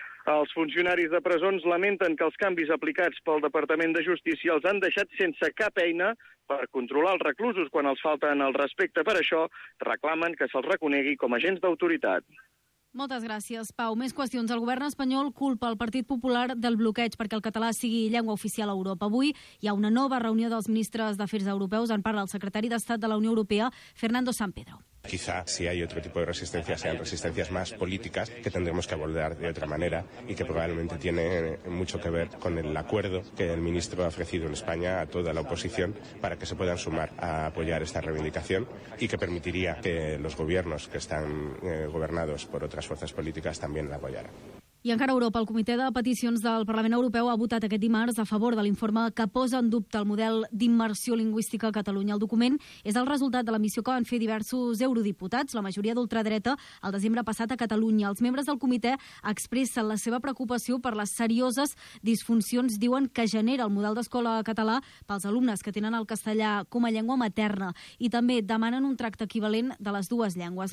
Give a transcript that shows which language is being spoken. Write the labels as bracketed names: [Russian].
[Catalan] Els funcionaris de presons lamenten que els canvis aplicats pel Departament de Justícia els han deixat sense cap eina per controlar els reclusos quan els falten el respecte. Per això, reclamen que se'ls reconegui com agents d'autoritat. Moltes gràcies, Pau. Més qüestions. El govern espanyol culpa el Partit Popular del bloqueig perquè el català sigui llengua oficial a Europa. Avui hi ha una nova reunió dels ministres d'Afers Europeus. En parla el secretari d'Estat de la Unió Europea, Fernando Sampedro. [Spanish] Quizá si hay otro tipo de resistencias, sean resistencias más políticas que tendremos que abordar de otra manera y que probablemente tiene mucho que ver con el acuerdo que el ministro ha ofrecido en España a toda la oposición para que se puedan sumar a apoyar esta reivindicación y que permitiría que los gobiernos que están gobernados por otras fuerzas políticas también la apoyaran. [Catalan] I encara a Europa, el Comitè de Peticions del Parlament Europeu ha votat aquest dimarts a favor de l'informe que posa en dubte el model d'immersió lingüística a Catalunya. El document és el resultat de la missió que van fer diversos eurodiputats, la majoria d'ultradreta, el desembre passat a Catalunya. Els membres del comitè expressen la seva preocupació per les serioses disfuncions, diuen, que genera el model d'escola català pels alumnes que tenen el castellà com a llengua materna i també demanen un tracte equivalent de les dues llengües.